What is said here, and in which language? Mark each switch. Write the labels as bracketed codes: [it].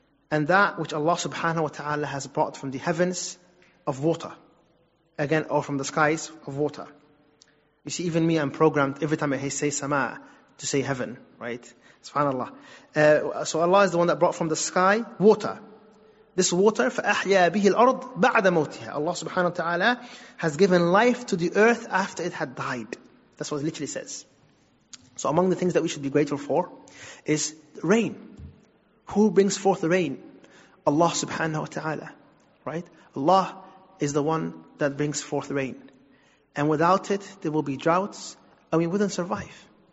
[en] And that which Allah subhanahu wa ta'ala has brought from the heavens of water. Again, or from the skies of water. You see, even me, I'm programmed every time I say sama to say heaven, right? Subhanallah. So Allah is the one that brought from the sky water. This water, [ar] فَأَحْيَا بِهِ الْأَرْضِ بَعْدَ مَوْتِهَا. [en] Allah subhanahu wa ta'ala has given life to the earth after it had died. That's what it literally says. So among the things that we should be grateful for is rain. Who brings forth the rain? Allah subhanahu wa ta'ala, right? Allah is the one that brings forth rain. And without it, there will be droughts, and we wouldn't survive.